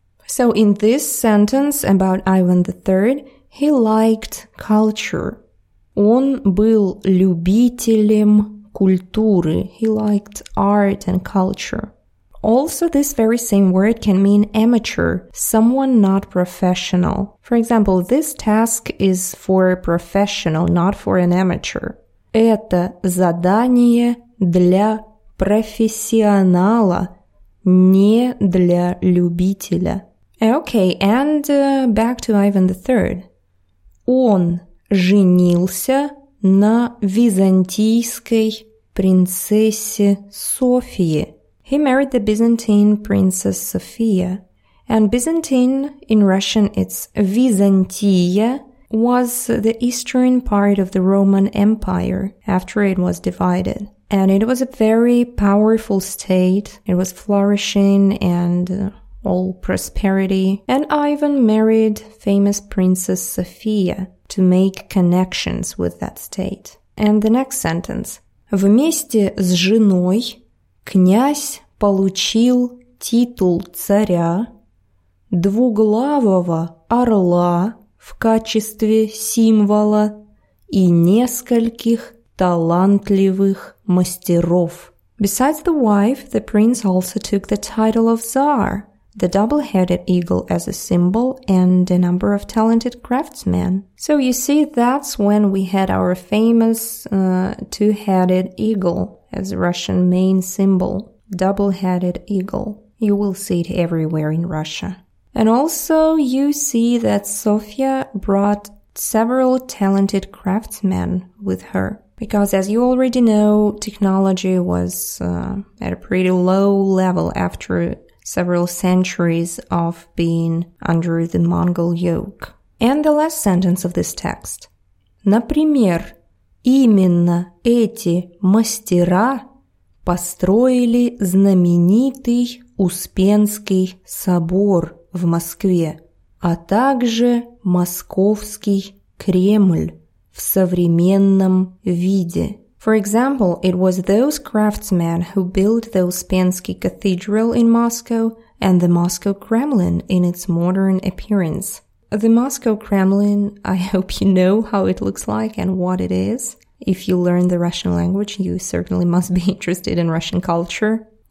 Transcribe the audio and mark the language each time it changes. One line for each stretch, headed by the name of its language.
English: So in this sentence about Ivan III, he liked culture.
Russian: Он был любителем культуры.
English: He liked art and culture. Also, this very same word can mean amateur, someone not professional. For example, this task is for a professional, not for an amateur.
Russian: Это задание для профессионала, не для любителя.
English: Okay, and back to Ivan III.
Russian: Он женился на византийской принцессе Софии.
English: He married the Byzantine princess Sophia. And Byzantine, in Russian it's Византия, was the eastern part of the Roman Empire after it was divided. And it was a very powerful state. It was flourishing and all prosperity. And Ivan married famous princess Sophia to make connections with that state. And the next sentence.
Russian: Вместе с женой князь получил титул царя, двуглавого орла в качестве символа и нескольких талантливых мастеров.
English: Besides the wife, the prince also took the title of Tsar, the double-headed eagle as a symbol and a number of talented craftsmen. So you see, that's when we had our famous two-headed eagle as Russian main symbol. Double-headed eagle. You will see it everywhere in Russia. And also you see that Sofia brought several talented craftsmen with her. Because as you already know, technology was at a pretty low level after several centuries of being under the Mongol yoke. And the last sentence of this text.
Russian: Например, именно эти мастера построили знаменитый Успенский собор в Москве, а также Московский Кремль в современном виде.
English: For example, it was those craftsmen who built the Успенский Cathedral in Moscow and the Moscow Kremlin in its modern appearance. The Moscow Kremlin, I hope you know how it looks like and what it is. If you learn the Russian language, you certainly must be interested in Russian culture.